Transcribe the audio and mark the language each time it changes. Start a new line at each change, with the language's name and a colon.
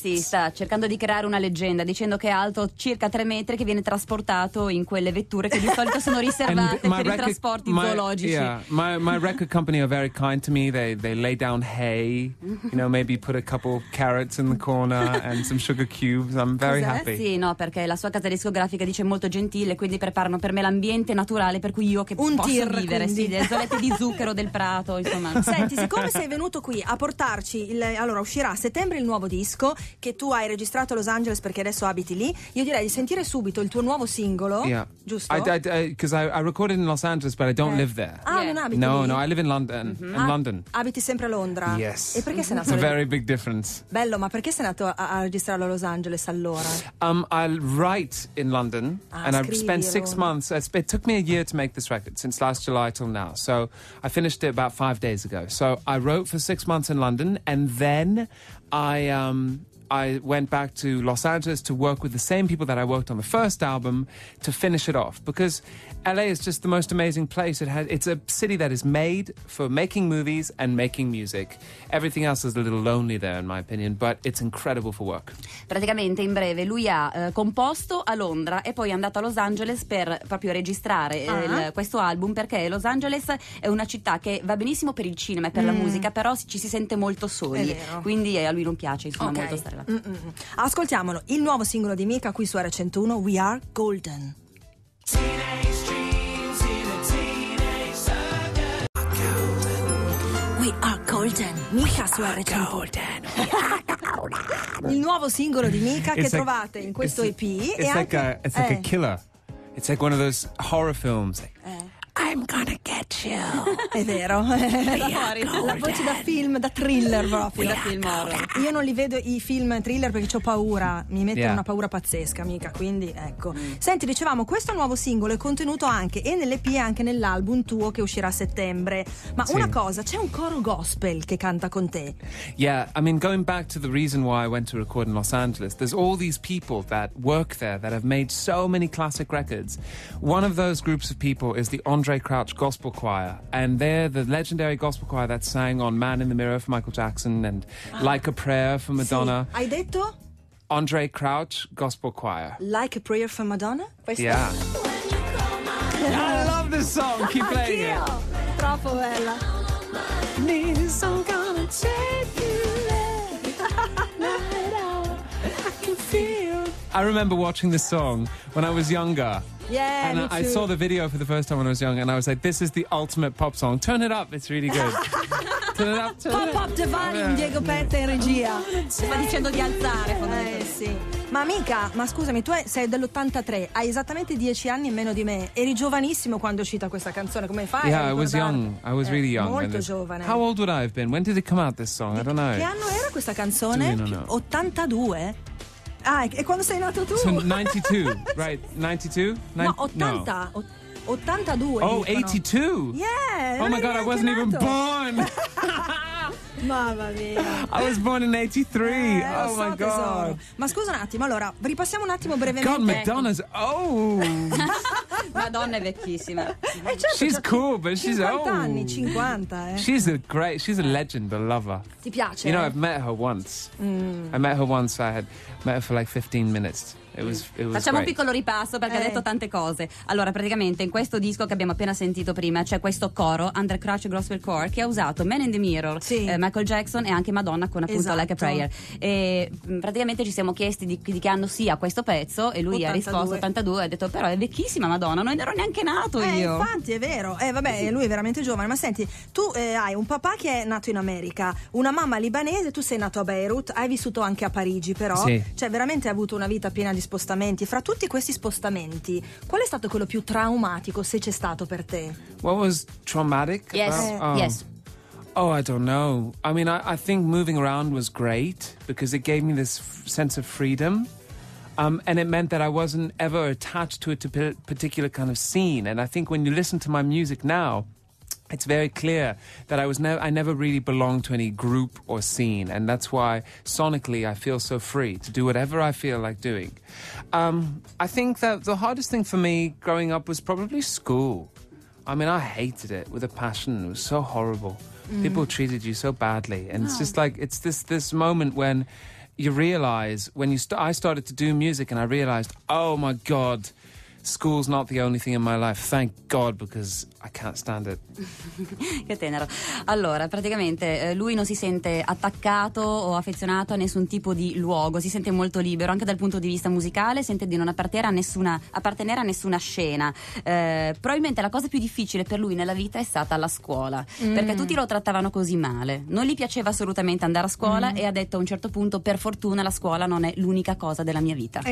Italian: Sì, sta cercando di creare una leggenda dicendo che è alto circa 3 metri, che viene trasportato in quelle vetture che di solito sono riservate per i trasporti zoologici.
English: Yeah, my record company are very kind to me. They lay down hay, you know, maybe put a couple of carrots in the corner and some sugar cubes. I'm very happy.
Italian: Sì, no, perché la sua casa discografica dice molto gentile, quindi preparano per me l'ambiente naturale per cui io che un posso tir, vivere. Quindi. Sì, le isolette di zucchero del prato, insomma. Senti, siccome sei venuto qui a portarci allora uscirà a settembre il nuovo disco che tu hai registrato a Los Angeles perché adesso abiti lì, io direi di sentire subito il tuo nuovo singolo.
English: I recorded in Los Angeles but I don't live there.
Italian: Non abiti
English: no I live in London. In London.
Italian: Abiti sempre a Londra?
English: Yes.
Italian: E perché sei nato?
English: It's a very big difference.
Italian: Bello, ma perché sei nato a registrarlo a Los Angeles allora?
English: I write in London and I spent 6 months. It took me a year to make this record, since last July till now, so I finished it about 5 days ago. So I wrote for 6 months in London, and then I went back to Los Angeles to work with the same people that I worked on the first album to finish it off, because LA is just the most amazing place. It's a city that is made for making movies and making music. Everything else is a little lonely there in my opinion, but it's incredible for work.
Italian: Praticamente in breve lui ha composto a Londra e poi è andato a Los Angeles per proprio registrare questo album, perché Los Angeles è una città che va benissimo per il cinema e per la musica, però ci si sente molto soli, quindi a lui non piace, insomma, molto stare. Ascoltiamolo, il nuovo singolo di Mika qui su R101, We Are Golden. We Are Golden, Mika su R101. Il nuovo singolo di Mika che trovate in questo EP.
English: It's like a killer. It's like one of those horror films. I'm gonna get you.
Italian: È vero. La voce da film, da thriller proprio. Da film horror. Io non li vedo i film thriller perché ho paura. Mi mette una paura pazzesca, mica. Quindi, ecco. Senti, dicevamo, questo nuovo singolo è contenuto anche e nell'EP e anche nell'album tuo che uscirà a settembre. Ma una cosa, c'è un coro gospel che canta con te.
English: Yeah, I mean, going back to the reason why I went to record in Los Angeles, there's all these people that work there that have made so many classic records. One of those groups of people is the Andre Crouch Gospel Choir, and they're the legendary gospel choir that sang on Man in the Mirror for Michael Jackson and Like a Prayer for Madonna.
Italian: Sì. Hai detto?
English: Andre Crouch Gospel Choir. Like a Prayer for Madonna?
Italian: Questa.
English: Yeah. Yeah, I love this song. Keep playing
Italian: anch'io.
English: It.
Italian: Troppo bella.
English: Knees, I'm gonna take you there. I remember watching this song when I was younger. Yeah, and me too. I saw the video for the first time when I was young, and I was like, this is the ultimate pop song. Turn it up, it's really good. Turn it up, turn pop, it up. Pop divine, Diego Petta
Italian: in regia. Sta dicendo di alzare, sì. Ma mica, ma scusami, tu sei dell'83, hai esattamente 10 anni in meno di me. Eri giovanissimo quando è uscita questa canzone, come fai?
English: Yeah, I was young. I was really young.
Italian: Molto
English: when
Italian: giovane.
English: How old would I have been? When did it come out, this song? I don't know.
Italian: Che anno era questa canzone?
English: Do you know?
Italian: 82? Ah, e quando sei nato tu?
English: So 92, right, 92?
Italian: No, 80, no. 82. Oh, dicono. 82?
English: Yeah. Oh my God, I wasn't
Italian: nato.
English: Even born.
Italian: Mamma mia.
English: I was born in 83. Oh my God.
Italian: Tesoro. Ma scusa un attimo, allora, ripassiamo un attimo brevemente.
English: God, Madonna's, oh.
Italian: Madonna è vecchissima. Certo,
English: she's cool, but she's old.
Italian: 50 anni, 50, eh.
English: She's a great, she's a legend, a lover.
Italian: Ti piace?
English: You know, I've met her once. I met her once, I had met her for like 15 minutes. It was
Italian: facciamo
English: great.
Italian: Un piccolo ripasso perché ha detto tante cose. Allora, praticamente in questo disco che abbiamo appena sentito prima c'è questo coro Andre Crouch Gospel Choir che ha usato Man in the Mirror, sì. Michael Jackson e anche Madonna con appunto esatto. Like a Prayer. E praticamente ci siamo chiesti di che anno sia questo pezzo e lui 82. Ha risposto 82 e ha detto però è vecchissima Madonna, non ero neanche nato io. Infatti è vero. Vabbè, sì. Lui è veramente giovane. Ma senti, tu hai un papà che è nato in America, una mamma libanese, tu sei nato a Beirut, hai vissuto anche a Parigi però, sì. Cioè veramente hai avuto una vita piena di spostamenti. Fra tutti questi spostamenti, qual è stato quello più traumatico, se c'è stato per te?
English: What was traumatic? Yes. Oh. Yes. Oh, I don't know. I mean, I think moving around was great because it gave me this sense of freedom. And it meant that I wasn't ever attached to a particular kind of scene. And I think when you listen to my music now, it's very clear that I never really belonged to any group or scene, and that's why sonically I feel so free to do whatever I feel like doing. I think that the hardest thing for me growing up was probably school. I mean, I hated it with a passion. It was so horrible. Mm. People treated you so badly, and it's just like it's this moment when you realize when you I started to do music, and I realized, oh my God. School's not the only thing in my life, thank God, because I can't stand it.
Italian: Che tenero. Allora, praticamente lui non si sente attaccato o affezionato a nessun tipo di luogo, si sente molto libero anche dal punto di vista musicale, sente di non appartenere a nessuna scena. Probabilmente la cosa più difficile per lui nella vita è stata la scuola, perché tutti lo trattavano così male, non gli piaceva assolutamente andare a scuola e ha detto a un certo punto, per fortuna la scuola non è l'unica cosa della mia vita.